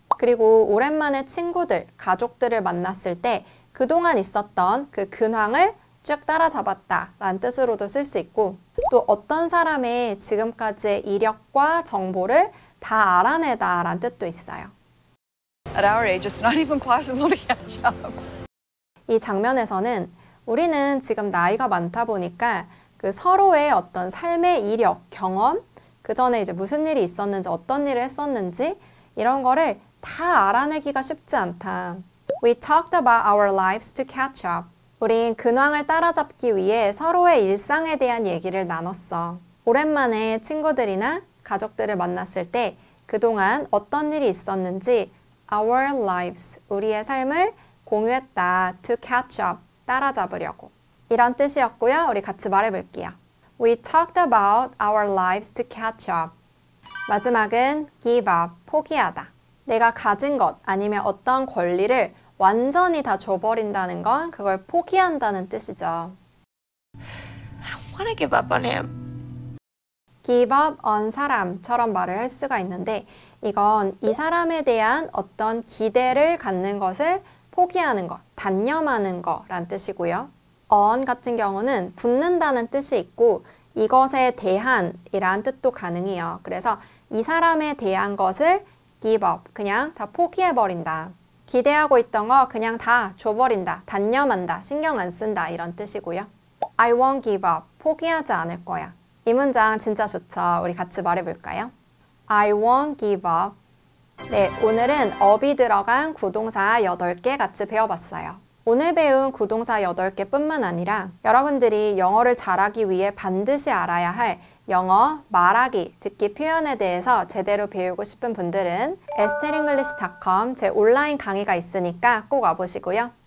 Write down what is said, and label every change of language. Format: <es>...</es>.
<ko>그리고 오랜만에 친구들, 가족들을 만났을 때 그동안 있었던 그 근황을 쭉 따라잡았다란 뜻으로도 쓸 수 있고 또 어떤 사람의 지금까지의 이력과 정보를 다 알아내다란 뜻도 있어요.</ko> <en>At our age, it's not even possible to catch up.</en> <ko>이 장면에서는 우리는 지금 나이가 많다 보니까 그 서로의 어떤 삶의 이력, 경험 그 전에 이제 무슨 일이 있었는지 어떤 일을 했었는지 이런 거를 다 알아내기가 쉽지 않다.</ko> <en>We talked about our lives to catch up.</en> <ko>우린 근황을 따라잡기 위해 서로의 일상에 대한 얘기를 나눴어. 오랜만에 친구들이나 가족들을 만났을 때 그동안 어떤 일이 있었는지 our lives, 우리의 삶을 공유했다. To catch up, 따라잡으려고. 이런 뜻이었고요. 우리 같이 말해볼게요.</ko> <en>We talked about our lives to catch up.</en> <ko>마지막은 give up, 포기하다. 내가 가진 것 아니면 어떤 권리를 완전히 다 줘버린다는 건 그걸 포기한다는 뜻이죠.</ko> <en>I don't want to give up on him.</en> <ko>give up on 사람처럼 말을 할 수가 있는데 이건 이 사람에 대한 어떤 기대를 갖는 것을 포기하는 것, 단념하는 거란 뜻이고요. on 같은 경우는 붙는다는 뜻이 있고 이것에 대한이라는 뜻도 가능해요. 그래서 이 사람에 대한 것을 give up, 그냥 다 포기해버린다. 기대하고 있던 거 그냥 다 줘버린다, 단념한다, 신경 안 쓴다 이런 뜻이고요.</ko> <en>I won't give up,</en> <ko>포기하지 않을 거야. 이 문장 진짜 좋죠. 우리 같이 말해볼까요?</ko> <en>I won't give up.</en> <ko>네, 오늘은 up이 들어간 구동사 8개 같이 배워봤어요. 오늘 배운 구동사 8개 뿐만 아니라 여러분들이 영어를 잘하기 위해 반드시 알아야 할 영어 말하기, 듣기 표현에 대해서 제대로 배우고 싶은 분들은 esterenglish.com 제 온라인 강의가 있으니까 꼭 와보시고요.</ko>